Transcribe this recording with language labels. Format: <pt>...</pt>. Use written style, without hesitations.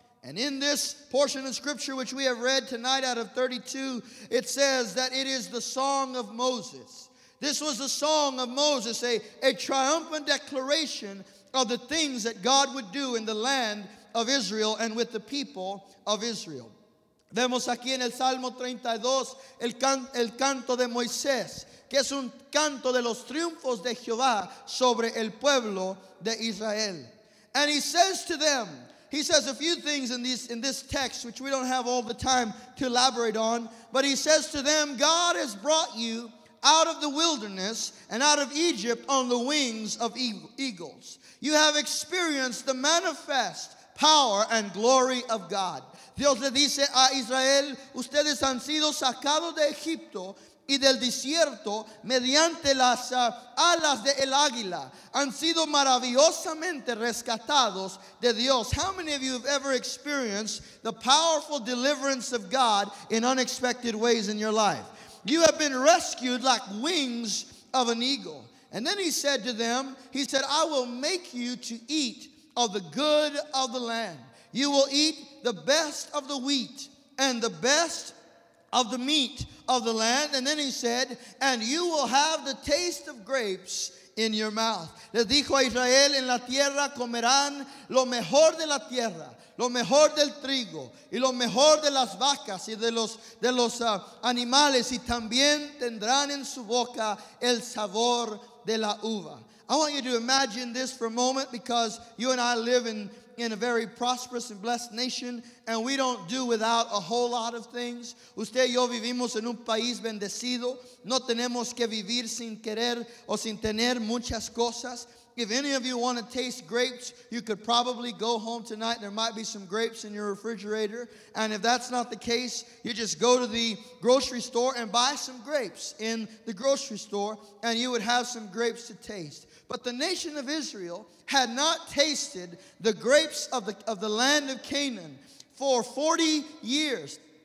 <en>And in this portion of scripture which we have read tonight out of 32, it says that it is the song of Moses. This was the song of Moses, a triumphant declaration of the things that God would do in the land of Israel and with the people of Israel.</en> <es>Vemos aquí en el Salmo 32 el canto de Moisés, que es un canto de los triunfos de Jehová sobre el pueblo de Israel.</es> <en>And he says to them, he says a few things in this text, which we don't have all the time to elaborate on, but he says to them, God has brought you out of the wilderness and out of Egypt on the wings of eagles. You have experienced the manifest power and glory of God.</en> <es>Dios le dice a Israel, ustedes han sido sacados de Egipto y del desierto mediante las alas de el águila. Han sido maravillosamente rescatados de Dios.</es> <en>How many of you have ever experienced the powerful deliverance of God in unexpected ways in your life? You have been rescued like wings of an eagle. And then he said to them, he said, I will make you to eat of the good of the land. You will eat the best of the wheat and the best of the meat of the land. And then he said, and you will have the taste of grapes in your mouth.</en> <es>Le dijo a Israel, en la tierra comerán lo mejor de la tierra, lo mejor del trigo y lo mejor de las vacas y de los animales y también tendrán en su boca el sabor de la uva.</es> <en>I want you to imagine this for a moment, because you and I live in a very prosperous and blessed nation, and we don't do without a whole lot of things.</en> <es>Usted y yo vivimos en un país bendecido. No tenemos que vivir sin querer o sin tener muchas cosas.</es> <en>If any of you want to taste grapes, you could probably go home tonight. There might be some grapes in your refrigerator. And if that's not the case, you just go to the grocery store and buy some grapes in the grocery store, and you would have some grapes to taste. But the nation of Israel had not tasted the grapes of the land of Canaan for 40 years.</en>